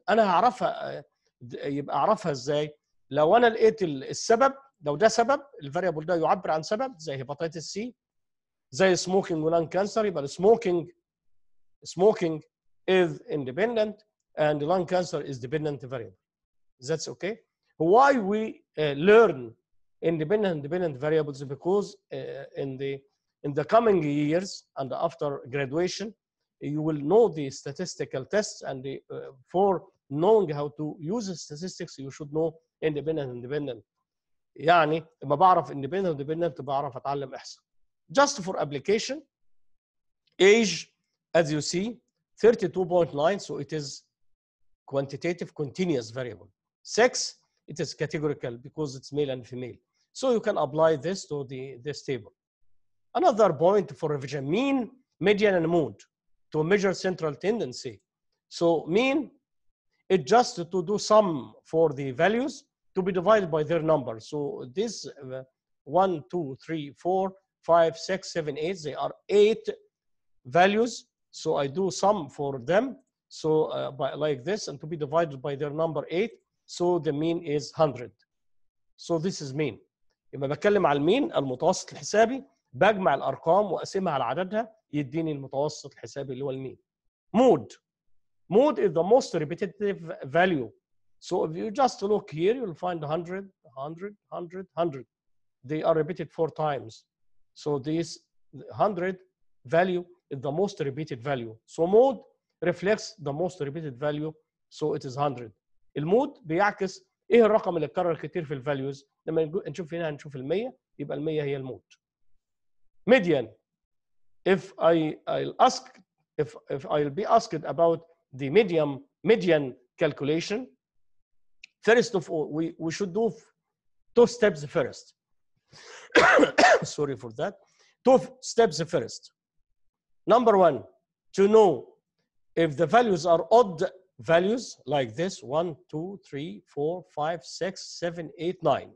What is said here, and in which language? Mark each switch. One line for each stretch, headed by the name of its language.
Arabic: انا هعرفها، يبقى اعرفها ازاي؟ لو انا لقيت السبب، لو ده سبب، الفاريبل ده يعبر عن سبب زي هيباتيتس سي، زي سموكينج ولان كانسر، يبقى السموكينج is independent and lung cancer is dependent variable.
English: That's okay. Why we learn independent and dependent variables? Because in the coming years and after graduation, you will know the statistical tests, and the, for knowing how to use statistics, you should know independent and dependent.
Arabic: يعني ما بعرف independent and dependent بعرف أتعلم إحصاء.
English: Just for application, age, as you see, 32.9, so it is quantitative continuous variable. Sex, it is categorical because it's male and female. So you can apply this to this table. Another point for revision, mean, median, and mode to measure central tendency. So mean, it just to do sum for the values to be divided by their number. So this 1, 2, 3, 4, 5, 6, 7, 8, they are 8 values. So I do sum for them. So by, like this, and to be divided by their number 8. So the mean is 100. So this is mean.
Arabic: لما بتكلم على المين المتوسط الحسابي، بجمع الارقام واقسمها على عددها يديني المتوسط الحسابي اللي هو المين.
English: Mode is the most repetitive value. So if you just look here, you'll find 100, 100, 100, 100. They are repeated 4 times. So this 100 value is the most repeated value. So mood reflects the most repeated value. So it is 100.
Arabic: المود بيعكس ايه الرقم اللي اتكرر كتير في الفاليوز. لما نشوف هنا هنشوف ال100، يبقى ال100 هي المود.
English: Median, if I'll be asked about the median calculation, first of all we should do two steps first. Sorry for that. Two steps first. Number one, to know if the values are odd values like this, 1, 2, 3, 4, 5, 6, 7, 8, 9.